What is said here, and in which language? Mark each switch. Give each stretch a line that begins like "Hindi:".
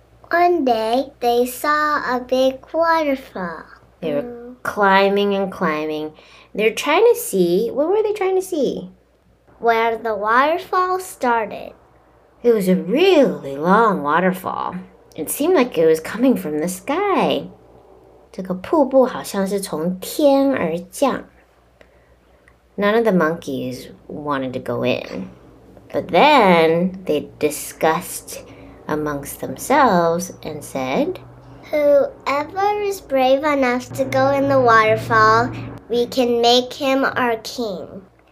English: One day they saw a big waterfall. They were climbing and climbing. They're trying to see, what were they trying to see? Where the waterfall started. It was a really long waterfall. It seemed like it was coming from the sky.
Chinese: 这个瀑布好像是从天而降。
English: None of the monkeys wanted to go in. But then they discussed amongst themselves and said, whoever is brave enough to go in the waterfall, we can make him our king.